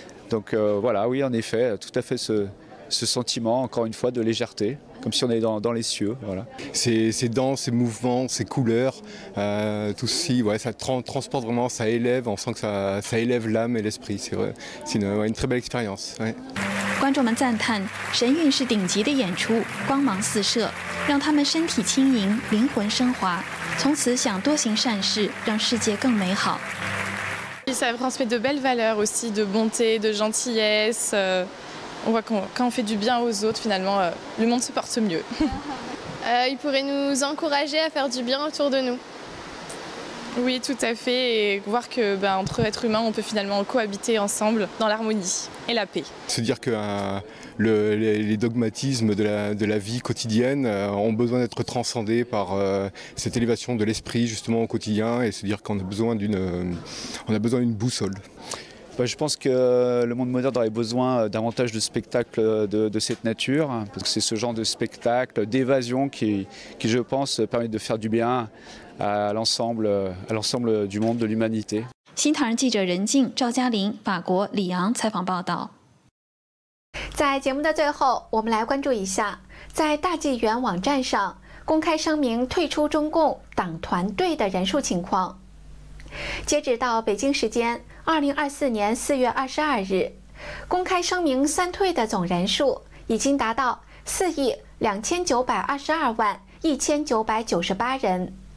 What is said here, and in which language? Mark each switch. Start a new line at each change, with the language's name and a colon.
French: Donc voilà, oui, en effet, tout à fait ce sentiment, encore une fois, de légèreté. comme si on est dans les cieux. Voilà. Ces danses, ces mouvements, ces couleurs, tout ceci, ouais, ça transporte vraiment, ça élève, on sent que ça élève l'âme et l'esprit. C'est une très belle expérience. Ouais.
Chinese: 观众们赞叹，神韵是顶级的演出，光芒四射，让他们身体轻盈，灵魂升华，从此想多行善事，让世界更美好。
French: Ça transmet de belles valeurs aussi, de bonté, de gentillesse. On voit quand on fait du bien aux autres, finalement, le monde se porte mieux. Il pourrait nous encourager à faire du bien autour de nous. Oui, tout à fait. Et voir que, ben, entre êtres humains, on peut finalement cohabiter ensemble dans l'harmonie et la paix. Se dire que les dogmatismes de la vie quotidienne ont besoin d'être transcendés par cette élévation de l'esprit justement au quotidien et se dire qu'on a besoin d'une boussole. Je pense que le monde moderne aurait besoin davantage de spectacles de cette nature, parce que c'est ce genre de spectacle d'évasion qui, je pense, permet de faire du bien à l'ensemble du monde, de l'humanité.
Chinese: 新唐人记者任静、赵嘉玲、法国里昂采访报道。在节目的最后，我们来关注一下，在大纪元网站上公开声明退出中共党团队的人数情况。截止到北京时间2024年4月22日，公开声明三退的总人数已经达到4亿2922万1998人。